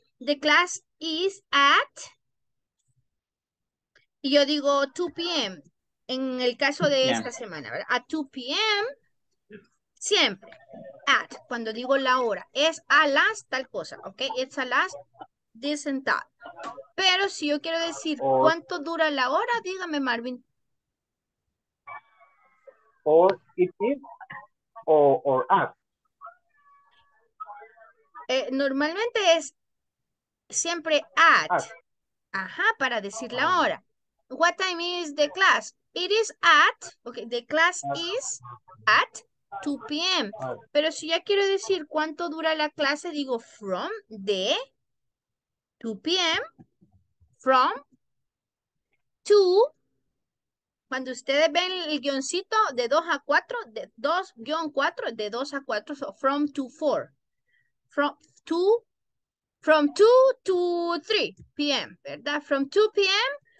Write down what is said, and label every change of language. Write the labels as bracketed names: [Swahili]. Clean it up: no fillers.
[English] The class is at, [Spanish] y yo digo [English] 2 p.m. [Spanish] en el caso de esta semana, ¿verdad? [English] At 2 p.m. [Spanish] siempre. At, cuando digo la hora, es a las tal cosa, ¿ok? [English] It's a las this and that. [Spanish] Pero si yo quiero decir cuánto dura la hora, dígame, Marvin. [English] Or it is or at. [Spanish] Normalmente es siempre at. Ajá, para decir la hora. [English] What time is the class? It is at, okay, the class is at 2 p.m. [Spanish] Pero si ya quiero decir cuánto dura la clase, digo [English] from the 2 p.m., [Spanish] from, to, cuando ustedes ven el guioncito de 2 a 4, de 2-4, de 2 a 4, [English] so from to 4, from 2 to 3 p.m., [Spanish] ¿verdad? [English] From 2 p.m.